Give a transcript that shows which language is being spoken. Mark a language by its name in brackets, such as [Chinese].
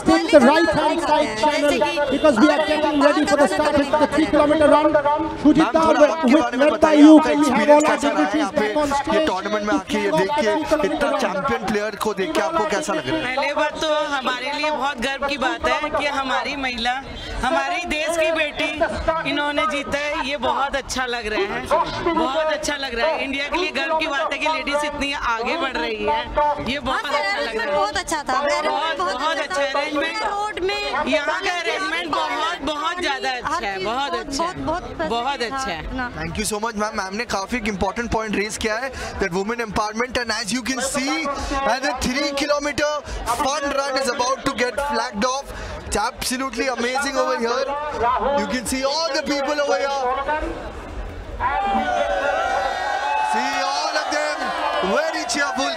[English] take the right hand side channel because we are getting ready for the start of the 3 kilometer run. Sujita, with led by you, we have all our dignitaries back on stage. [Hindi] ये tournament में आके ये देखिए इतना champion player को देखिए आपको कैसा लग रहा है? पहले बात तो हमारे लिए बहुत गर्व की बात है कि हमारी महिला, हमारे देश की बेटी, इन्होंने जीता है। ये बहुत अच्छा लग रहा है, बहुत अच्छा लग रहा है। इंडिया के लिए गर्व की बात है कि लेडीज इतनी आगे बढ़ रही है, ये बहुत अच्छा लग रहा है। बहुत अच्छा था, बहुत अच्छा अरेंजमेंट रोड में, यहाँ का अरेंजमेंट बहुत बहुत ज्यादा अच्छा है, बहुत अच्छा, बहुत अच्छा है। [English] Thank you so much ma'am. [Hindi] Ma'am ने काफी एक इम्पोर्टेंट पॉइंट रेज किया है, [English] That women empowerment, and as you can see as a 3 kilometer fun run is about to get flagged off. It's absolutely amazing over here. You can see all the people over here. See all of them. Very cheerful.